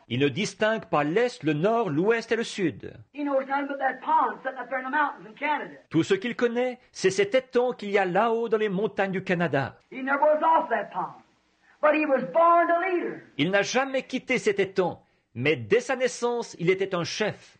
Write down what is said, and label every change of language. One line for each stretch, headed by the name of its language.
French: Il ne distingue pas l'est, le nord, l'ouest et le sud.
English: He knows nothing but that pond sitting up there in the mountains in Canada.
French: Tout ce qu'il connaît, c'est cet étang qu'il y a là-haut dans les montagnes du Canada.
English: He never was off that pond, but he was born a leader.
French: Il n'a jamais quitté cet étang. Mais dès sa naissance, il était un chef.